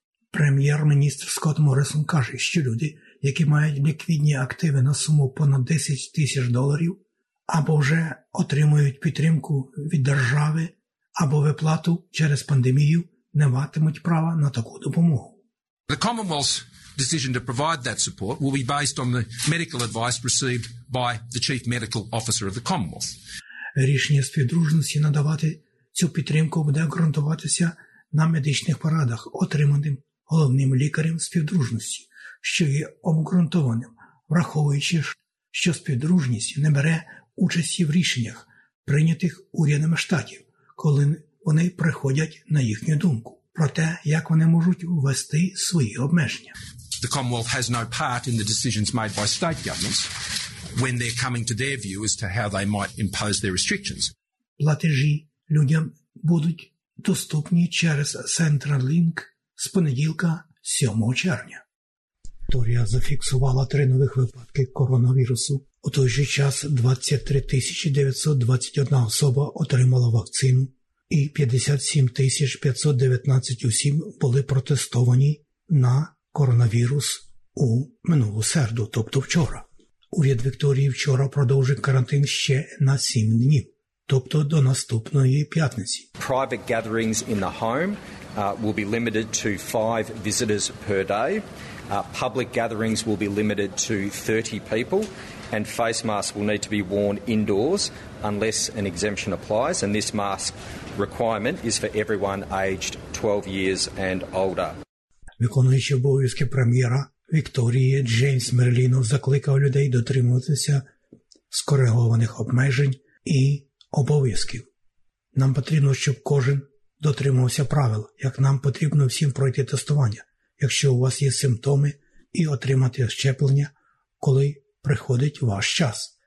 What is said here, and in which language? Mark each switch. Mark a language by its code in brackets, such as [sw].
[uk] Прем'єр-міністр Скотт Моррісон каже, що люди, які мають ліквідні активи на суму понад $10,000, або вже отримують підтримку від держави, або виплату через пандемію, не матимуть права на таку допомогу. [en] The Commonwealth's decision to provide that support will be based on the medical advice received by the Chief Medical Officer of the Commonwealth. [uk] Рішення співдружності надавати цю підтримку буде ґрунтуватися на медичних порадах, отриманим головним лікарем співдружності, що є обґрунтованим, враховуючи, що співдружність не бере участі в рішеннях, прийнятих урядами штатів, коли вони приходять на їхню думку про те, як вони можуть ввести свої обмеження. The Commonwealth has no part in the decisions made by state governments when they're coming to their view as to how they might impose their restrictions. Платежі людям будуть доступні через Centrelink з понеділка 7 червня. Торія зафіксувала 3 нових випадки коронавірусу. У той же час 23 921 особа отримала вакцину, і 57 519 осіб були протестовані на коронавірус у минулу середу, тобто вчора. Уряд Вікторії вчора продовжив карантин ще на 7 днів, тобто до наступної п'ятниці. [en] Private gatherings in the home will be limited to 5 visitors per day. Public gatherings will be limited to 30 people. And face masks will need to be worn indoors unless an exemption applies. And this mask requirement is for everyone aged 12 years and older. [uk] Виконуючий обов'язки прем'єра Вікторії Джеймс Мерліно закликав людей дотримуватися скоригованих обмежень і обов'язків. Нам потрібно, щоб кожен дотримувався правил, як нам потрібно всім пройти тестування, якщо у вас є симптоми, і отримати щеплення, коли приходить ваш час.